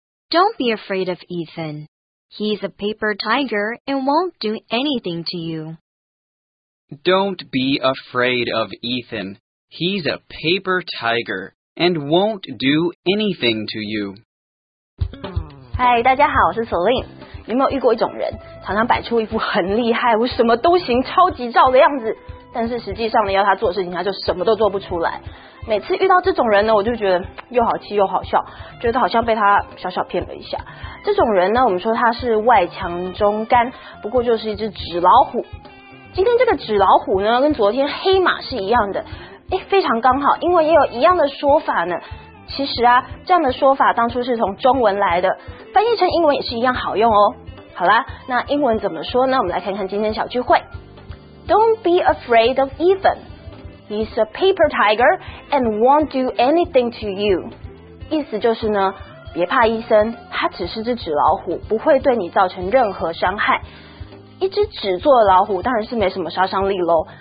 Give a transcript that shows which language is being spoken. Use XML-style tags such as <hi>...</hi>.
<en>Don't be afraid of Ethan. He's a paper tiger and won't do anything to you. Don't be afraid of Ethan. He's a paper tiger and won't do anything to you.</en> <zh>Hi, 大家好，我是 Celine。你有没有遇过一种人，常常摆出一副很厉害，我什么都行，超级照的样子，但是实际上呢，要他做事情，他就什么都做不出来。每次遇到这种人呢，我就觉得又好气又好笑，觉得好像被他小小骗了一下。这种人呢，我们说他是外强中干，不过就是一只纸老虎。今天这个纸老虎呢，跟昨天黑马是一样的，哎，非常刚好，因为也有一样的说法呢。其实啊，这样的说法当初是从中文来的，翻译成英文也是一样好用哦。好啦，那英文怎么说呢？我们来看看今天小聚会。</zh> <en>Don't be afraid of Ethan. He's a paper tiger and won't do anything to you.</en> <zh>意思就是呢，别怕伊森，他只是只纸老虎，不会对你造成任何伤害。一只纸做的老虎当然是没什么杀伤力咯。</zh>